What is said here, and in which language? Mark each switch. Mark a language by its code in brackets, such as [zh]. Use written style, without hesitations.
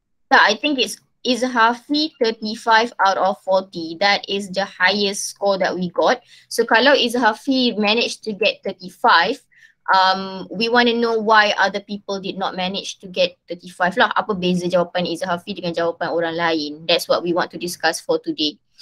[en] So I think it's Izhafi 35 out of 40. That is the highest score that we got. So kalau Izhafi managed to get 35, we want to know why other people did not manage to get 35 lah. [ms] Apa beza jawapan Izhafi dengan jawapan orang lain? [en] That's what we want to discuss for today.